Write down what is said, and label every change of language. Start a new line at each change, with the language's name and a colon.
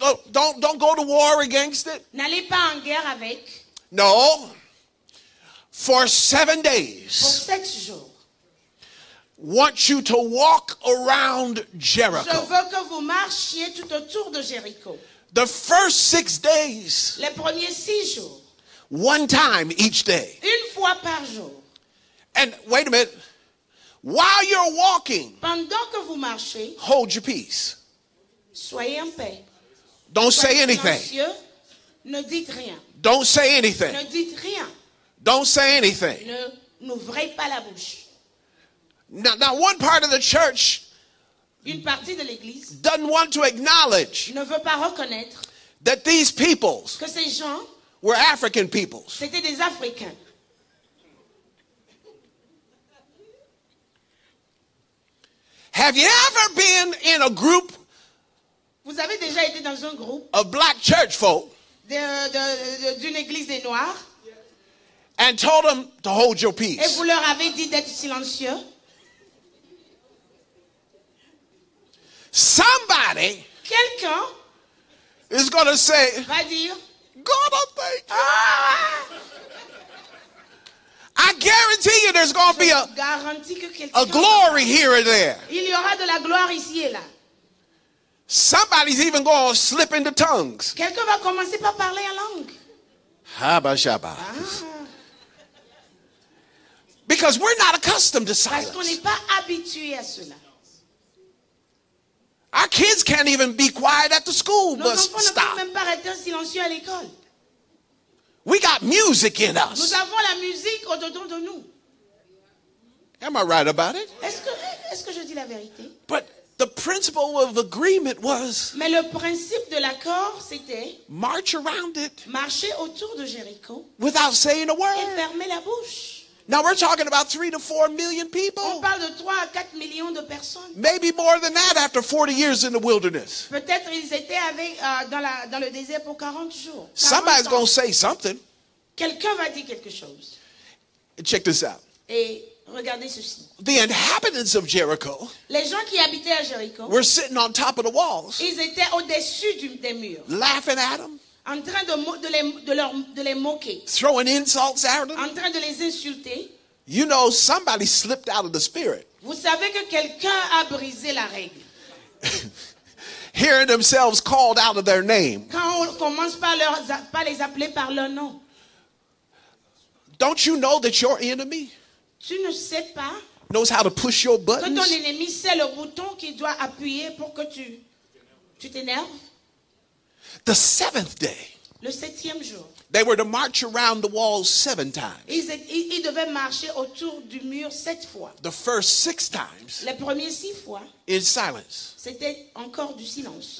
English: Don't go to war against it.
French: N'allez pas en guerre avec.
English: No. For 7 days.
French: Pour 7 jours.
English: Want you to walk around Jericho.
French: Je veux que vous marchiez tout autour de Jéricho.
English: The first 6 days.
French: Les premiers 6 jours.
English: One time each day.
French: Une fois par jour.
English: And wait a minute. While you're walking.
French: Pendant que vous marchez.
English: Hold your peace.
French: Soyez en paix.
English: Don't
French: soyez
English: say anything.
French: Ne dites rien.
English: Don't say anything.
French: Ne dites rien.
English: Don't say anything.
French: Ne n'ouvrez pas la bouche.
English: Now one part of the church.
French: Une partie de l'église.
English: Doesn't want to acknowledge.
French: Ne veut pas reconnaître.
English: That these peoples.
French: Que ces gens.
English: Were African peoples.
French: C'était des Africains.
English: Have you ever been in a group?
French: Vous avez déjà été dans un groupe
English: of black church folk
French: d'une église des noirs,
English: and told them to hold your peace.
French: Et vous leur avez dit d'être silencieux.
English: Somebody,
French: quelqu'un,
English: is going to say,
French: va dire,
English: God, I thank you. I guarantee you, there's going to be a glory here and there.
French: Il y aura de la gloire ici et là.
English: Somebody's even going to slip into tongues.
French: Quelqu'un va commencer par parler en langue. Haba shaba.
English: Because we're not accustomed to silence.
French: Parce qu'on n'est pas habitué à cela.
English: Our kids can't even be quiet at the school bus stop.
French: Nos enfants ne peuvent même pas rester silencieux à l'école.
English: We got music in us.
French: Nous avons la musique au-dedans de nous.
English: Am I right about it?
French: Est-ce que je dis la vérité?
English: But the principle of agreement was.
French: Mais le principe de l'accord, c'était.
English: March around it.
French: Marcher autour de Jéricho.
English: Without saying a word.
French: Et fermer la bouche.
English: Now we're talking about 3 to 4 million people.
French: On parle de 3 à 4 millions de personnes.
English: Maybe more than that after 40 years in the wilderness.
French: Peut-être ils étaient avec dans le désert pour 40 jours.
English: Somebody's going to say something.
French: Quelqu'un va dire quelque chose.
English: Check this out.
French: Et Regardez ceci.
English: The inhabitants of Jericho,
French: les gens qui habitaient à Jericho
English: were sitting on top of the walls.
French: Ils étaient au-dessus des murs.
English: Laughing at them.
French: En train de les moquer.
English: Throwing insults at them.
French: En train de les insulter.
English: You know, somebody slipped out of the spirit.
French: Vous savez que quelqu'un a brisé la règle.
English: Hearing themselves called out of their name.
French: Quand on commence pas les appeler par leur nom.
English: Don't you know that your enemy
French: tu ne sais pas
English: knows how to push your buttons?
French: Que ton ennemi sait le bouton qu'il doit appuyer pour que tu t'énerves?
English: The seventh day.
French: Le septième jour.
English: They were to march around the walls seven times.
French: Ils devaient marcher autour du mur sept fois.
English: The first six times.
French: Les premiers six fois.
English: In silence.
French: C'était encore du silence.